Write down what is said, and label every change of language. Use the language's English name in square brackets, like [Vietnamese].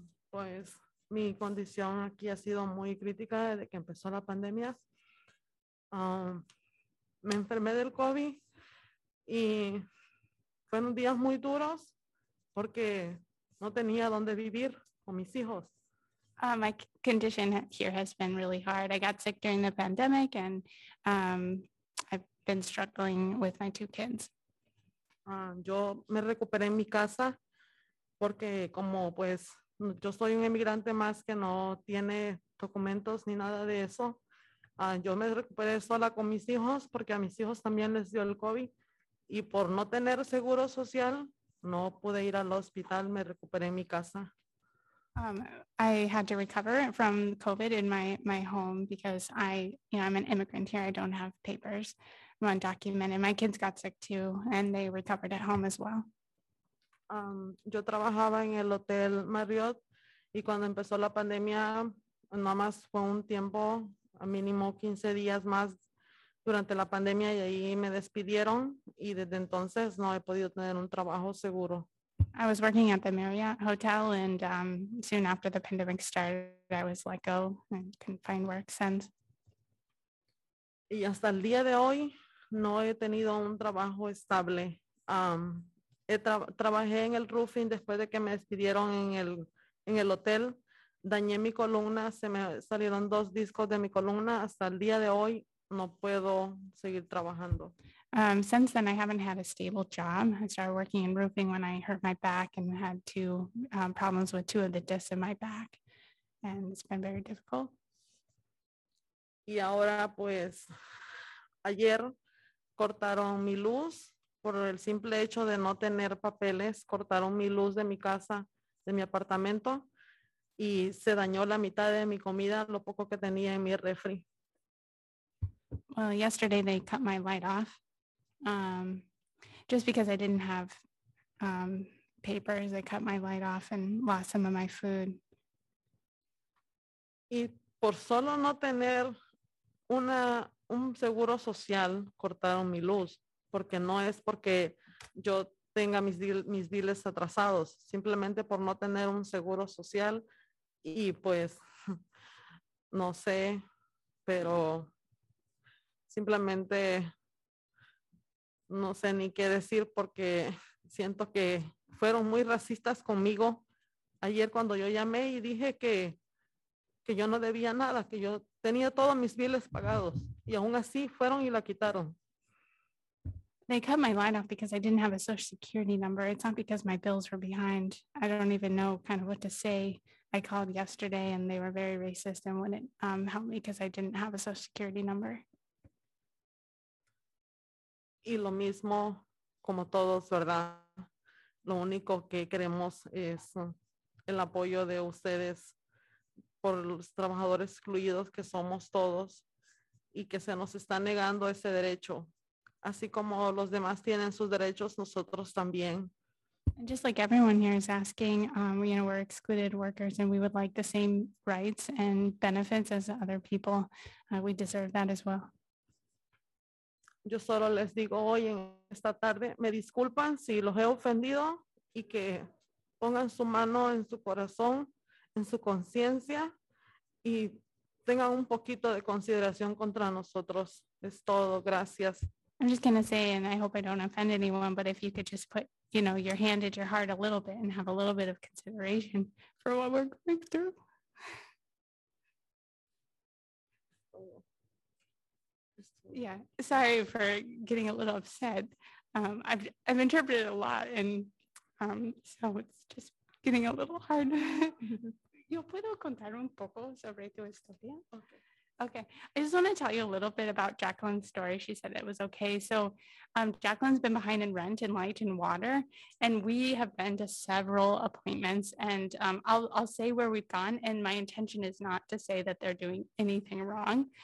[Spanish] Pues mi condición aquí ha sido muy crítica desde que empezó la pandemia. Me enfermé del COVID. Y fueron días muy duros porque no tenía donde vivir con mis hijos. [English] My condition here has been really hard. I got sick during the pandemic and I've been struggling with my two kids. [Spanish] Yo me recuperé en mi casa porque como pues yo soy un emigrante más que no tiene documentos ni nada de eso. Yo me recuperé sola con mis hijos porque a mis hijos también les dio el COVID. Y por no tener seguro social, no pude ir al hospital, me recuperé en mi casa. [English] I had to recover from COVID in my home because I'm an immigrant here. I don't have papers, I'm undocumented. My kids got sick too, and they recovered at home as well. [Spanish] Yo trabajaba en el hotel Marriott, y cuando empezó la pandemia, nada más fue un tiempo, a mínimo 15 días más, durante la pandemia y ahí me despidieron y desde entonces no he podido tener un trabajo seguro. [English] I was working at the Marriott Hotel and soon after the pandemic started, I was let go and couldn't find work since. [Spanish] Y hasta el día de hoy no he tenido un trabajo estable. Trabajé en el roofing después de que me despidieron en el hotel. Dañé mi columna, se me salieron dos discos de mi columna. Hasta el día de hoy no puedo seguir trabajando. [English] Since then, I haven't had a stable job. I started working in roofing when I hurt my back and had two problems with two of the discs in my back. And it's been very difficult. [Spanish] Y ahora, pues, ayer cortaron mi luz por el simple hecho de no tener papeles. Cortaron mi luz de mi casa, de mi apartamento, y se dañó la mitad de mi comida, lo poco que tenía en mi refri. [English] Well, yesterday they cut my light off. Just because I didn't have papers, they cut my light off and lost some of my food. [Spanish] Y por solo no tener un seguro social, cortaron mi luz, porque no es porque yo tenga mis biles atrasados, simplemente por no tener un seguro social, y pues no sé, pero simplemente no sé ni qué decir, porque siento que fueron muy racistas conmigo ayer cuando yo llamé y dije que yo no debía nada, que yo tenía todos mis biles pagados, y aún así fueron y la quitaron. [English] They cut my line off because I didn't have a social security number. It's not because my bills were behind. I don't even know kind of what to say. I called yesterday and they were very racist and wouldn't help me because I didn't have a social security number. [Spanish] Y lo mismo como todos, ¿verdad? Lo único que queremos es el apoyo de ustedes por los trabajadores excluidos que somos todos y que se nos está negando ese derecho. Así como los demás tienen sus derechos, nosotros también. [English] And just like everyone here is asking, you know, we're excluded workers and we would like the same rights and benefits as other people. We deserve that as well. [Spanish] Yo solo les digo hoy en esta tarde, me disculpan si los he ofendido y que pongan su mano en su corazón, en su conciencia y tengan un poquito de consideración contra nosotros. Es todo. Gracias. [English] I'm just going to say, and I hope I don't offend anyone, but if you could just put, you know, your hand at your heart a little bit and have a little bit of consideration for what we're going through. Yeah, sorry for getting a little upset. I've interpreted a lot, and so it's just getting a little hard. [Spanish] ¿Yo puedo contar un poco sobre tu historia? [English] Okay, I just want to tell you a little bit about Jacqueline's story. She said it was okay. So Jacqueline's been behind in rent and light and water, and we have been to several appointments, and I'll say where we've gone, and my intention is not to say that they're doing anything wrong.